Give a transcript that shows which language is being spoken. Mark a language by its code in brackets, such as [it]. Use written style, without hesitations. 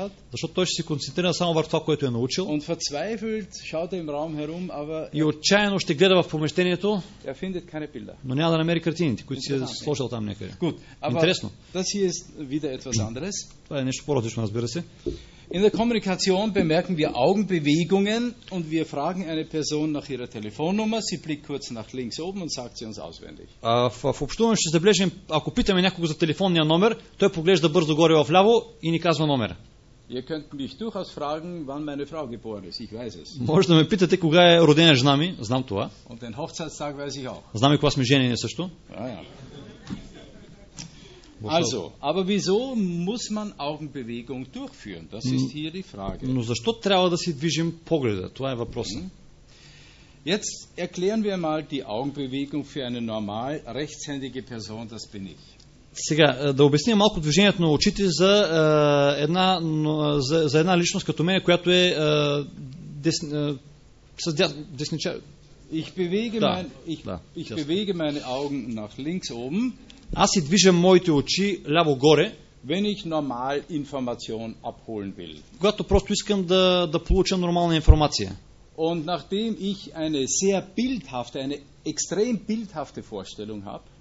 [bg] Защото той ще се концентрира само върху това, което е научил. [de] Und verzweifelt schaut er im Raum herum, aber [bg] и отчаяно ще гледа в помещението, [de] er findet keine Bilder. [bg] Но няма да намери картините, които си е сложил там някъде. [de] Gut, aber [bg] интересно. [de] Das hier ist wieder etwas anderes. [bg] Това е нещо по-различно, разбира се. [de] In der Kommunikation bemerken wir Augenbewegungen und wir fragen eine Person nach ihrer Telefonnummer, sie blickt kurz nach links oben und sagt sie uns auswendig. [bg] В общуване ще забележим, ако питаме някого за телефонния номер, той поглежда бързо горе в ляво и ни казва номера. [de] Ihr könnt mich durchaus fragen, wann meine Frau geboren ist. Ich weiß es. [bg] Може да ме питате кога е родена жена ми, знам това. [de] Und den Hochzeitstag weiß ich auch. [bg] Знам и кога сме женени също. [de] Also, aber wieso muss man Augenbewegung durchführen? Das ist hier die Frage. [bg] Но защо трябва да си движим погледа? Това е въпросът. [de] Jetzt erklären wir mal die Augenbewegung für eine normal rechtshändige Person, das bin ich. [bg] Сега, да обясня малко движението на очите за една за една личност като мен, която е десничар. [de] Ich bewege meine Augen nach links oben. [bg] Аз си движа моите очи ляво горе. [de] Wenn ich normal Information abholen will. [bg] Когато просто искам да получа нормална информация. [de] Und nachdem ich eine sehr bildhafte, eine extrem bildhafte Vorstellung habe.